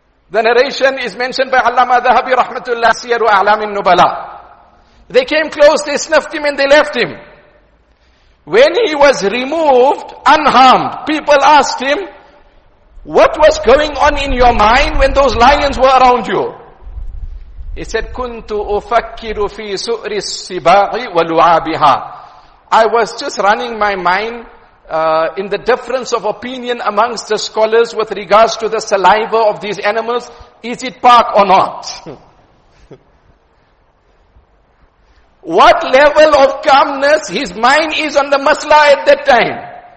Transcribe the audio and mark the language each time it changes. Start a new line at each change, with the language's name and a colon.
English: The narration is mentioned by Allama Dhahabi Rahmatullah Siyaru A'lamin Nubala. They came close, they sniffed him and they left him. When he was removed, unharmed, people asked him, what was going on in your mind when those lions were around you? He said,
Arabic: كُنْتُ أُفَكِّرُ فِي سُؤْرِ السِّبَاعِ وَلُعَابِهَا.
English: I was just running my mind in the difference of opinion amongst the scholars with regards to the saliva of these animals. Is it park or not? What level of calmness his mind is on the masla at that time?